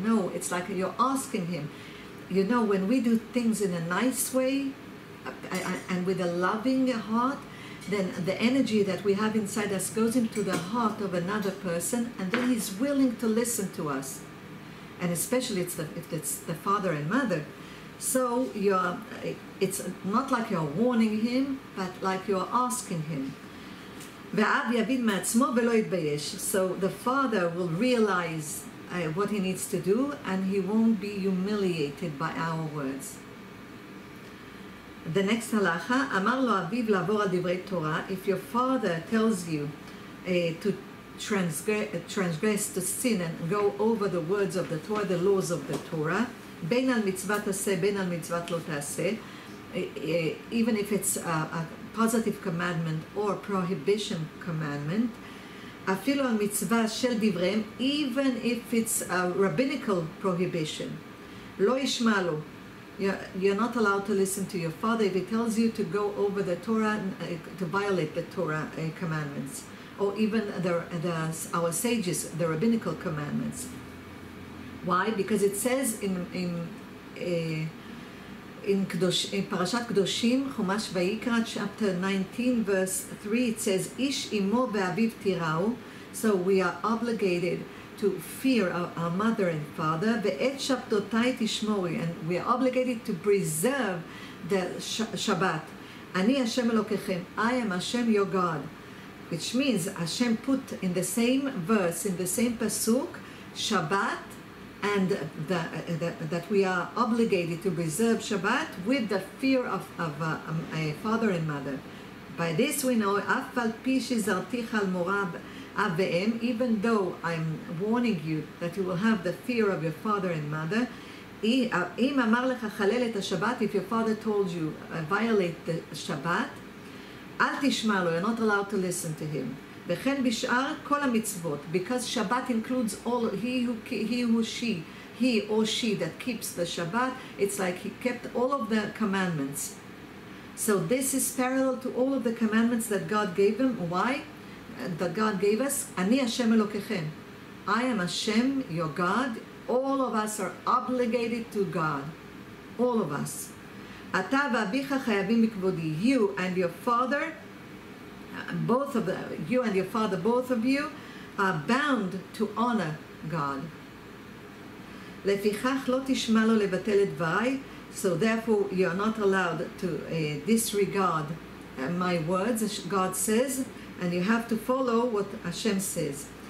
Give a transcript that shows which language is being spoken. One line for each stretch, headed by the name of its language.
English: No, it's like you're asking him. You know, when we do things in a nice way and with a loving heart, then the energy that we have inside us goes into the heart of another person, and then he's willing to listen to us. And especially if it's the father and mother. So it's not like you're warning him, but like you're asking him.
Hebrew: ואב יבין מעצמו ולא יתבייש.
English: So the father will realize what he needs to do, and he won't be humiliated by our words. The next halacha,
Hebrew: אמר לו אביו לעבור על דברי תורה.
English: If your father tells you to transgress, to sin, and go over the words of the Torah, the laws of the Torah,
Hebrew: בין על מצוות עשה, בין על מצוות לא תעשה,
English: even if it's a positive commandment or prohibition commandment,
Hebrew: אפילו על מצווה של דבריהם,
English: even if it's a rabbinical prohibition,
Hebrew: לא ישמע לו.
English: You're not allowed to listen to your father if he tells you to go over the Torah, to violate the Torah commandments, or even the our sages, the rabbinical commandments. Why? Because it says in
Hebrew: פרשת קדושים, חומש ויקרא,
English: chapter 19, verse 3, it says,
Hebrew: איש אמו ואביו תיראו.
English: So we are obligated to fear our mother and father.
Hebrew: ואת שבתותי תשמורי,
English: and we are obligated to preserve the Shabbat.
Hebrew: אני השם אלוקיכם,
English: I am Hashem your God. Which means, Hashem put in the same verse, in the same pasuk, Shabbat and that we are obligated to reserve Shabbat with the fear of father and mother. By this we know
Hebrew: af al pi shezarticha al morab avim,
English: even though I'm warning you that you will have the fear of your father and mother.
Hebrew: Im amar lecha chalel et haShabbat,
English: if your father told you violate the Shabbat,
Hebrew: al tishma lo,
English: you're not allowed to listen to him.
Hebrew: וכן בשאר כל המצוות,
English: because Shabbat includes all, he or she that keeps the Shabbat, it's like he kept all of the commandments. So this is parallel to all of the commandments that God gave him. Why? That God gave us.
Hebrew: אני השם אלוקיכם.
English: I am Hashem, your God. All of us are obligated to God. All of us.
Hebrew: אתה ואביך חייבים בכבודי.
English: You and your father, both of the, you and your father, both of you are bound to honor God.
Hebrew: לפיכך לא תשמע לו לבטל את דבריי,
English: so therefore you are not allowed to disregard my words, God says, and you have to follow what Hashem says.